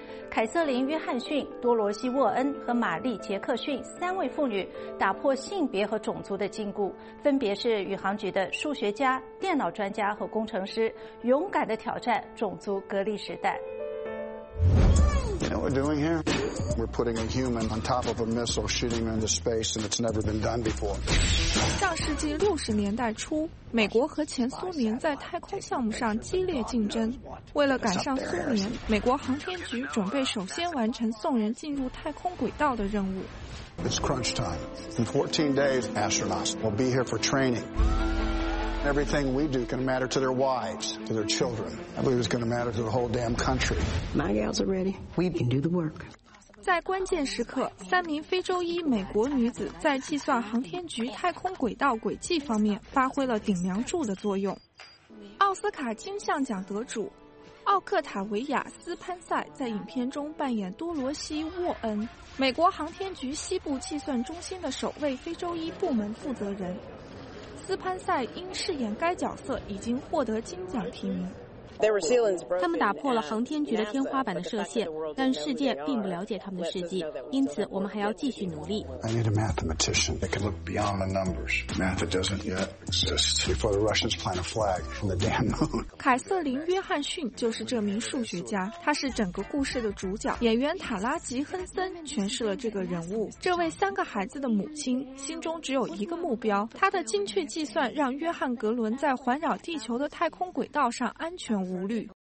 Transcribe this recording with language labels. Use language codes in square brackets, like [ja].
[zh] 凯瑟琳·约翰逊、多罗西·沃恩和玛丽·杰克逊三位妇女打破性别和种族的禁锢，分别是宇航局的数学家、电脑专家和工程师，勇敢地挑战种族隔离时代。 [en] You know what we're doing here? We're putting a human on top of a missile, shooting into space, and it's never been done before. [zh] 上世纪60年代初，美国和前苏联在太空项目上激烈竞争。为了赶上苏联，美国航天局准备首先完成送人进入太空轨道的任务。 [en] It's crunch time. In 14 days, astronauts will be here for training. Everything we do is going to matter to their wives, to their children. I believe it's going to matter to the whole damn country. My gals are ready. We can do the work. [zh] 在关键时刻，三名非洲裔美国女子在计算航天局太空轨道轨迹方面发挥了顶梁柱的作用。奥斯卡金像奖得主奥克塔维亚斯潘塞在影片中扮演多罗西沃恩，美国航天局西部计算中心的首位非洲裔部门负责人。斯潘塞因饰演该角色已经获得金奖提名。他们打破了航天局的天花板的设限，但世界并不了解他们的事迹，因此我们还要继续努力。 [en] I need a mathematician that can look beyond the numbers. Math it doesn't yet exist before the Russians plant a flag on the damn moon. [zh] 凯瑟琳·约翰逊就是这名数学家，他是整个故事的主角。演员塔拉吉·亨森诠释了这个人物。这位三个孩子的母亲心中只有一个目标，他的精确计算让约翰·格伦在环绕地球的太空轨道上安全无虑。